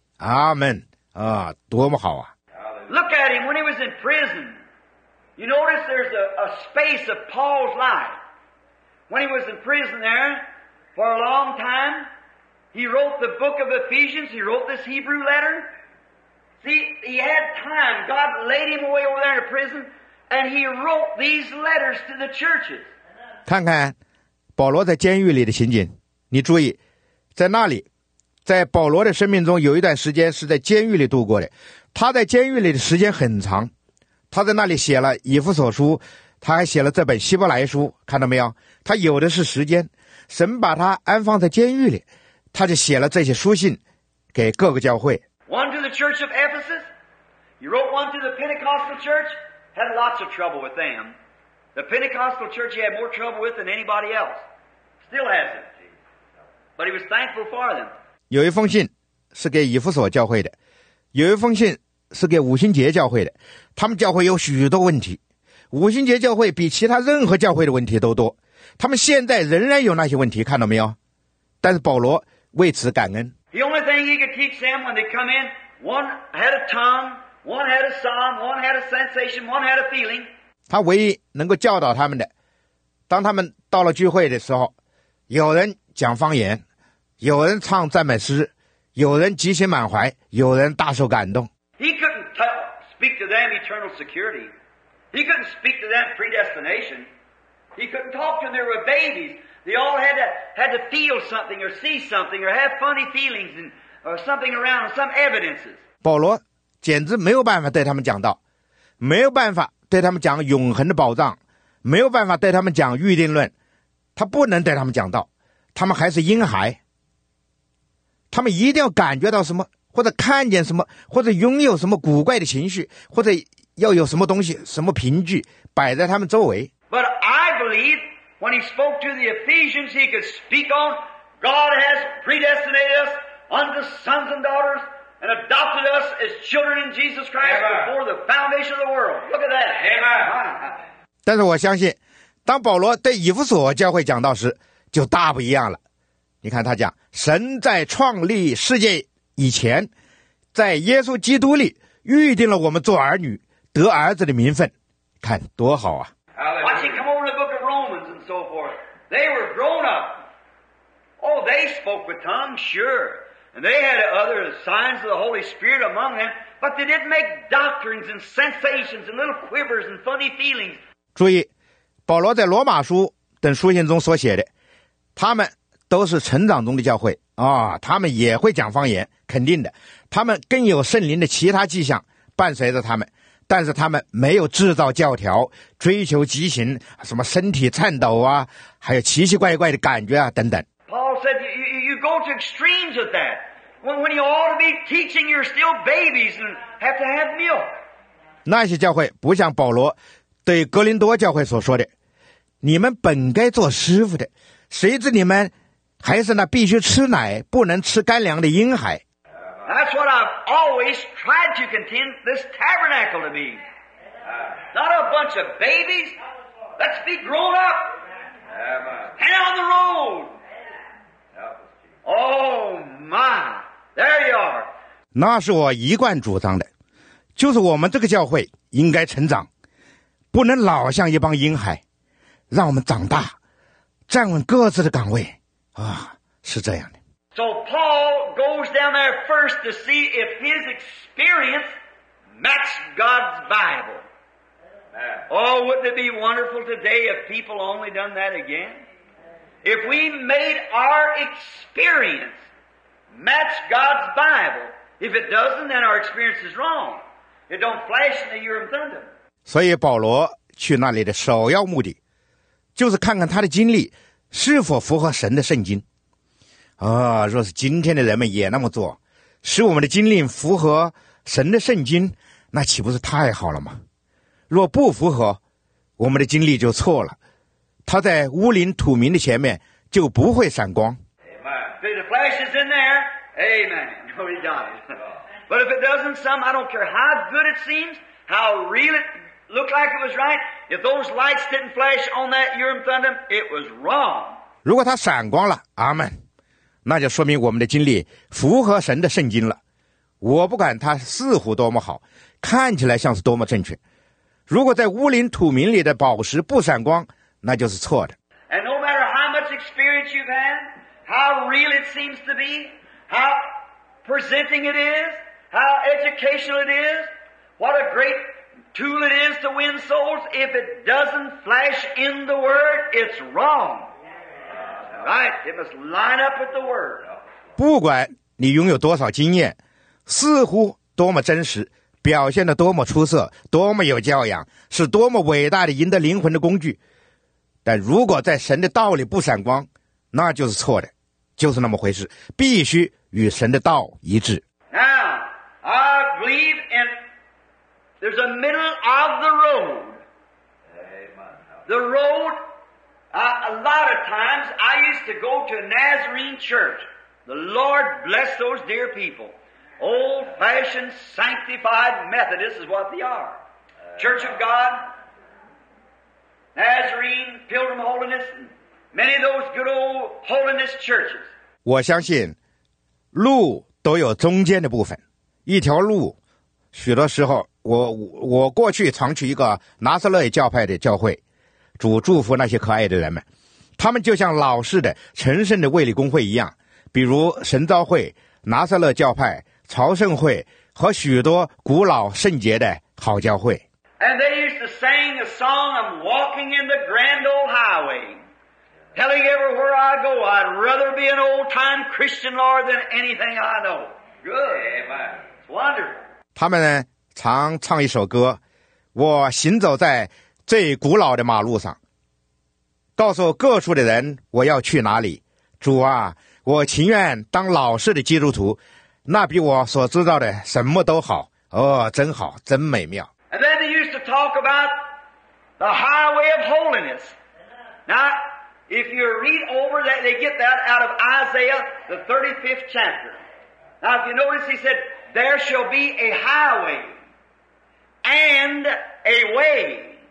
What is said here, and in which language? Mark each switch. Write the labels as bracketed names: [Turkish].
[Chinese] 阿们啊，多么好啊！ [English] Look at him when he was in prison. You notice there's a space of Paul's life when he was in prison there for a long time. He wrote the book of Ephesians. He wrote this Hebrew letter. See, he had time. God laid him away over there in prison, and he wrote these letters to the churches. [Chinese] 看看保罗在监狱里的情景。你注意，在那里，在保罗的生命中有一段时间是在监狱里度过的。他在监狱里的时间很长，他在那里写了以弗所书，他还写了这本希伯来书。看到没有？他有的是时间。神把他安放在监狱里。他就写了这些书信给各个教会。 [English] One to the church of Ephesus. He wrote one to the Pentecostal church. Had lots of trouble with them. The Pentecostal church he had more trouble with than anybody else. Still has it. But he was thankful for them. [Chinese] 有一封信是给以弗所教会的，有一封信是给五旬节教会的。他们教会有许多问题，五旬节教会比其他任何教会的问题都多。他们现在仍然有那些问题，看到没有？但是保罗为此感恩。 [English] The only thing he could teach them when they come in, one had a tongue, one had a song, one had a sensation, one had a feeling. [Chinese] 他唯一能够教导他们的，当他们到了聚会的时候，有人讲方言，有人唱赞美诗，有人即兴满怀，有人大受感动。 [English] He couldn't speak to them eternal security. He couldn't speak to them predestination. He couldn't talk to them. There were babies.They all had to feel something or see something or have funny feelings and or something around some evidences. [Chinese] 保罗简直没有办法对他们讲道，没有办法对他们讲永恒的宝藏，没有办法对他们讲预定论，他不能对他们讲道，他们还是婴孩，他们一定要感觉到什么，或者看见什么，或者拥有什么古怪的情绪，或者要有什么东西，什么凭据摆在他们周围。 [English] But I believe when he spoke to the Ephesians, he could speak on God has predestinated us unto sons and daughters and adopted us as children in Jesus Christ before the foundation of the world. Look at that. Amen. [Chinese] 但是我相信，当保罗对以弗所教会讲道时，就大不一样了。你看他讲，神在创立世界以前，在耶稣基督里预定了我们做儿女，得儿子的名分，看多好啊！ [English] Watch him come over to the book of Romans and so forth. They were grown up. Oh, they spoke with tongues, sure, and they had other signs of the Holy Spirit among them, but they didn't make doctrines and sensations and little quivers and funny feelings. [Chinese] 注意，保罗在罗马书等书信中所写的，他们都是成长中的教会。啊、哦，他们也会讲方言，肯定的。他们更有圣灵的其他迹象伴随着他们，但是他们没有制造教条，追求激情，什么身体颤抖啊，还有奇奇怪怪的感觉啊，等等。 [English] Paul said, you go to extremes with that. When you ought to be teaching, you're still babies and have to have milk. [Chinese] 那些教会不像保罗对哥林多教会所说的，你们本该做师傅的，谁知你们还是那必须吃奶不能吃干粮的婴孩。 [English] That's what I've always tried to contend this tabernacle to be. Not a bunch of babies. Let's be grown up. Hand on the road. Oh my, there you are. [Chinese] 那是我一贯主张的，就是我们这个教会应该成长，不能老像一帮婴孩，让我们长大，站稳各自的岗位。啊，是这样的。 [English] So Paul goes down there first to see if his experience matched God's Bible. Oh, wouldn't it be wonderful today if people only done that again? If we made our experience match God's Bible, if it doesn't, then our experience is wrong. It don't flash in the Urim Thummim. [Chinese] 所以保罗去那里的首要目的，就是看看他的经历是否符合神的圣经。啊、若是今天的人们也那么做，使我们的经历符合神的圣经，那岂不是太好了吗？若不符合，我们的经历就错了，他在乌林土民的前面就不会闪光。 [English] Amen. If the flash is in there, amen. Nobody got it. But if it doesn't, some, I don't care how good it seems, how real it looked like it was right, if those lights didn't flash on that Urim Thummim, it was wrong. [Chinese] 如果它闪光了，阿们，那就说明我们的经历符合神的圣经了。我不管它似乎多么好，看起来像是多么正确，如果在乌林土民里的宝石不闪光，那就是错的。 [English] And no matter how much experience you've had, how real it seems to be, how presenting it is, how educational it is, what a great tool it is to win souls, if it doesn't flash in the word, it's wrong. Right? It must line up with the word. [Chinese] 不管你拥有多少经验，似乎多么真实，表现得多么出色，多么有教养，是多么伟大的赢得灵魂的工具，但如果在神的道里不闪光，那就是错的，就是那么回事，必须与神的道一致。 [English] Now, I believe in there's a middle of the road. The road, a lot of times I used to go to a Nazarene church. The Lord bless those dear people. Old fashioned sanctified Methodists is what they are. Church of God, Nazarene, Pilgrim Holiness, and many of those good old holiness churches. [Chinese] 我相信路都有中间的部分，一条路许多时候我过去常去一个拿撒勒教派的教会，主祝福那些可爱的人们，他们就像老式的成圣的卫理公会一样，比如神召会、拿撒勒教派、朝圣会和许多古老圣洁的好教会。 [English] And they used to sing a song, I'm walking in the grand old highway. telling everywhere I go, I'd rather be an old-time Christian, Lord, than anything I know. Good. Amen. It's wonderful. [Chinese] 他们呢常唱一首歌，我行走在最古老的马路上，告诉各处的人我要去哪里。主啊，我情愿当老式的基督徒，那比我所知道的什么都好。哦，真好，真美妙。 [English] And then they used to talk about the highway of holiness. Now, if you read over that, they get that out of Isaiah, the 35th chapter. Now, if you notice, he said, there shall be a highway and a way.